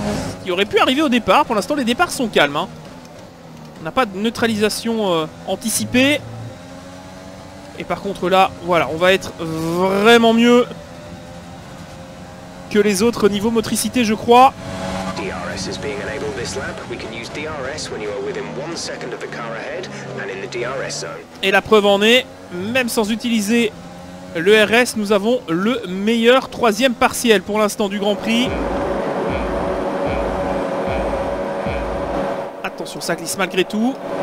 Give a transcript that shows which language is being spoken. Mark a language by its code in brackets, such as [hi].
[fr] Ce qui aurait pu arriver au départ. Pour l'instant, les départs sont calmes. Hein. On n'a pas de neutralisation anticipée. Et par contre là, voilà, on va être vraiment mieux que les autres niveaux motricité, je crois. [en] DRS is being enabled this lap. We can use DRS when you are within one second of the car ahead and in the DRS zone. [fr] Et la preuve en est, même sans utiliser le RS, nous avons le meilleur troisième partiel pour l'instant du Grand Prix. Attention, ça glisse malgré tout.